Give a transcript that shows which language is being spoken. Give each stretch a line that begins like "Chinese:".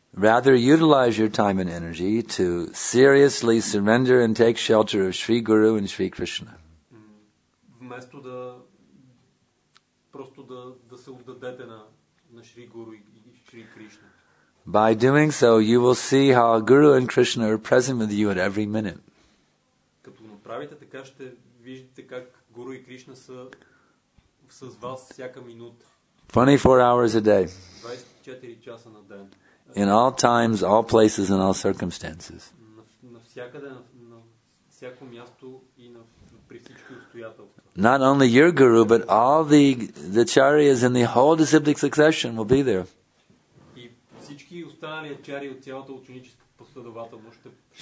English: Rather, utilize your time and energy to seriously surrender and take shelter of Sri Guru and Sri Krishna.
Bulgarian: Вместо да просто да се отдадете на Шри Гуру и Шри Кришна.
English: By doing so, you will see how Guru and Krishna are present with you at every minute.
Bulgarian: Като направите така, ще виждате как Гуру и Кришна са с вас всяка минута.
English: 24 hours a day.
Bulgarian: 24 часа на ден.
English: In all times, all places and all circumstances.
Bulgarian: Навсякъде, на всяко място и при всички обстоятелства.
English: Not only your guru, but all the acharyas in the whole disciplic succession will be there.
Bulgarian: И всички останали ачари от цялата ученическа последователност ще